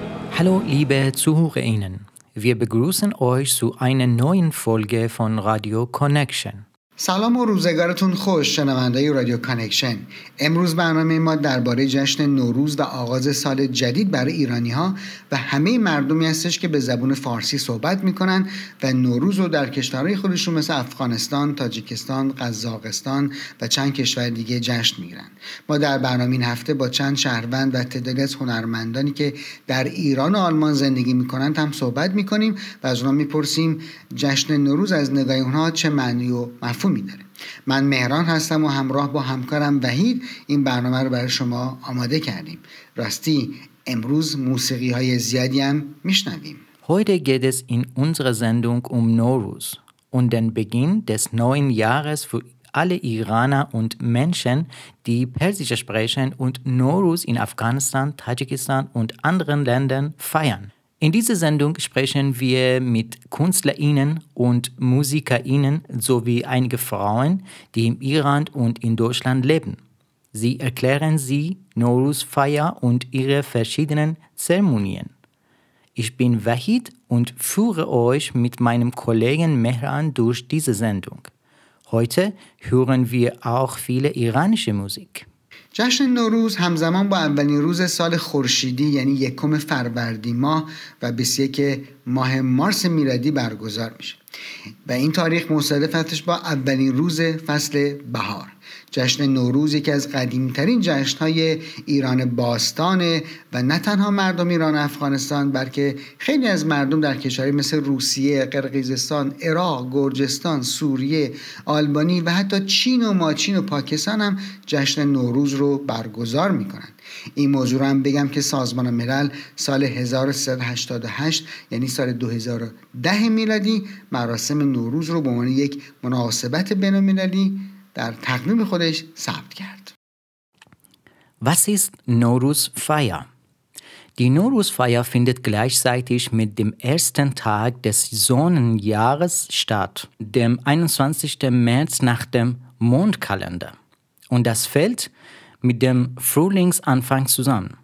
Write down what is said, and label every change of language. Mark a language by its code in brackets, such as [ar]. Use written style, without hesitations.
[de] Hallo liebe ZuhörerInnen, wir begrüßen euch zu einer neuen Folge von Radio Connection. [fa] سلام و روزگارتون خوش شنونده ی رادیو کانکشن. امروز برنامه ما درباره جشن نوروز و آغاز سال جدید برای ایرانی ها و همه مردمی هستش که به زبان فارسی صحبت میکنن و نوروز رو در کشورهای خودشون مثل افغانستان، تاجیکستان، قزاقستان و چند کشور دیگه جشن میگیرن. ما در برنامه این هفته با چند شهروند و تعدادی از هنرمندانی که در ایران و آلمان زندگی میکنن هم صحبت میکنیم و از اونها میپرسیم جشن نوروز از نگاه اونها چه معنی و مفهومی داره. من مهران هستم و همراه با همکارم وحید این برنامه رو برای شما آماده کردیم. راستی امروز موسیقی های زیادی هم میشنویم. [de] Heute geht es in unserer Sendung Nowruz und den Beginn des neuen Jahres für alle Iraner und Menschen, die Persisch sprechen und Nowruz in Afghanistan, Tadschikistan und anderen Ländern feiern. In dieser Sendung sprechen wir mit KünstlerInnen und MusikerInnen sowie einige Frauen, die im Iran und in Deutschland leben. Sie erklären sie Nowruz-Feier und ihre verschiedenen Zeremonien. Ich bin Wahid und führe euch mit meinem Kollegen Mehran durch diese Sendung. Heute hören wir auch viele iranische Musik. [fa] جشن نوروز همزمان با اولین روز سال خورشیدی یعنی یکم فروردین ماه و 21 ماه مارس میلادی برگزار میشه و این تاریخ مصادف هستش با اولین روز فصل بهار. جشن نوروز یکی از قدیمترین جشن‌های ایران باستانه و نه تنها مردم ایران و افغانستان بلکه خیلی از مردم در کشوری مثل روسیه، قرقیزستان، عراق، گرجستان، سوریه، آلبانی و حتی چین و ماچین و پاکستان هم جشن نوروز رو برگزار می‌کنن. این موضوع رو هم بگم که سازمان ملل سال 1388 یعنی سال 2010 میلادی مراسم نوروز رو به عنوان یک مناسبت بین‌المللی در تقویم خودش ثبت کرد. [de] Was ist Nowruz-Feier? Die Nowruz-Feier findet gleichzeitig mit dem ersten Tag des Sonnenjahres statt, dem 21. März nach dem Mondkalender. Und das fällt mit dem Frühlingsanfang zusammen.